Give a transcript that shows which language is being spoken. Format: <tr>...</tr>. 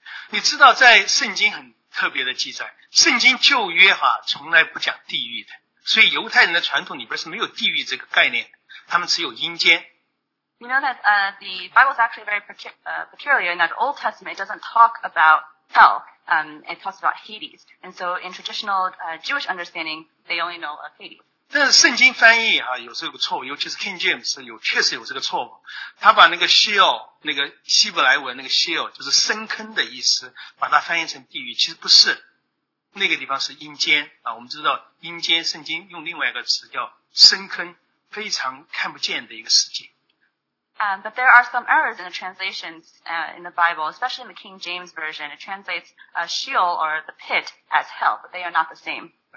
<zh>你知道在圣经很特别的记载, 圣经旧约啊, 从来不讲地狱的, 所以犹太人的传统里边是没有地狱这个概念, 他们只有阴间。</zh> <en>You know that the Bible is actually very peculiar in that Old Testament, it doesn't talk about hell, it talks about Hades. And so in traditional Jewish understanding, they only know of Hades.</en> <zh>但是圣经翻译有这个错误, 尤其是 King James 确实有这个错误, 他把那个 Sheol, 那个希伯来文那个 Sheol, 就是深坑的意思, 把它翻译成地狱, 其实不是, 那个地方是阴间, 我们知道阴间, 圣经用另外一个词, 叫深坑, 非常看不见的一个世界。</zh> <en>But there are some errors in the translations in the Bible, especially in the King James Version. It translates Sheol or the pit as hell, but they are not the same.</en>